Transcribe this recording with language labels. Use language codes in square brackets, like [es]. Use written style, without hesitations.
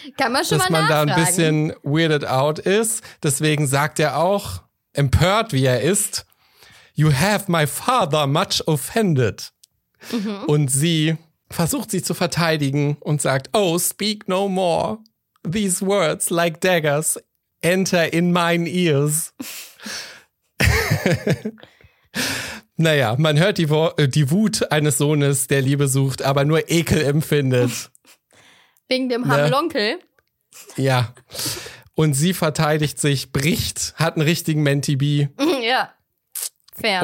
[de] Kann man schon mal nachfragen. Dass man da ein bisschen weirded out ist. Deswegen sagt er auch, empört wie er ist, [en] you have my father much offended. [de] Und sie versucht sich zu verteidigen und sagt, [en] oh, speak no more. These words like daggers enter in mine ears. [de] Naja, man hört die Wut eines Sohnes, der Liebe sucht, aber nur Ekel empfindet. Wegen dem Hamlonkel. Ja. Und sie verteidigt sich, bricht, hat einen richtigen Mentibi. Ja. Fair.